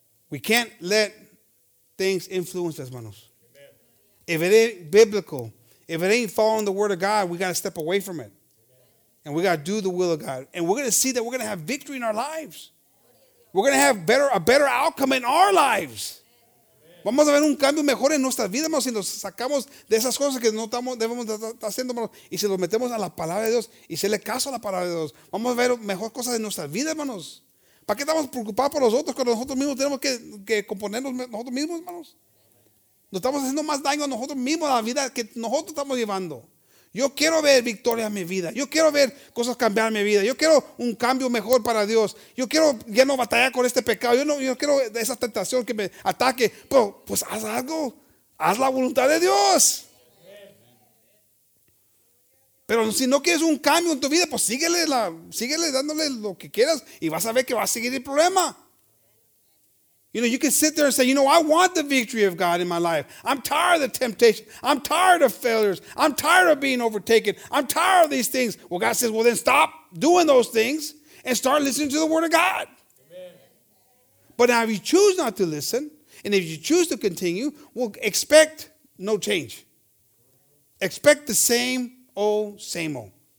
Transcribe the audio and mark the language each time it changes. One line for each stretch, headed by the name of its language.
English: We can't let things influence us, manos. If it ain't biblical, if it ain't following the word of God, we got to step away from it. Amen. And we got to do the will of God. And we're going to see that we're going to have victory in our lives. We're going to have a better outcome in our lives. Amen.
Spanish: Vamos a ver un cambio mejor en nuestras vidas, manos, si nos sacamos de esas cosas que no estamos debemos estar haciendo, manos, y si los metemos a la palabra de Dios y se le caso a la palabra de Dios. Vamos a ver mejor cosas en nuestras vidas, manos. ¿Para qué estamos preocupados por los otros cuando nosotros mismos tenemos que componernos nosotros mismos, hermanos? Nos estamos haciendo más daño a nosotros mismos, a la vida que nosotros estamos llevando. Yo quiero ver victoria en mi vida. Yo quiero ver cosas cambiar en mi vida. Yo quiero un cambio mejor para Dios. Yo quiero ya no batallar con este pecado. Yo quiero esa tentación que me ataque. Pero, pues haz algo. Haz la voluntad de Dios. Pero si no quieres un cambio en tu vida, pues síguele dándole lo que quieras y vas a ver que va a seguir el problema.
English: You can sit there and say, I want the victory of God in my life. I'm tired of the temptation. I'm tired of failures. I'm tired of being overtaken. I'm tired of these things. Well, God says, then stop doing those things and start listening to the word of God. Amen. But now if you choose not to listen and if you choose to continue, well, expect no change. Expect the same old, same old.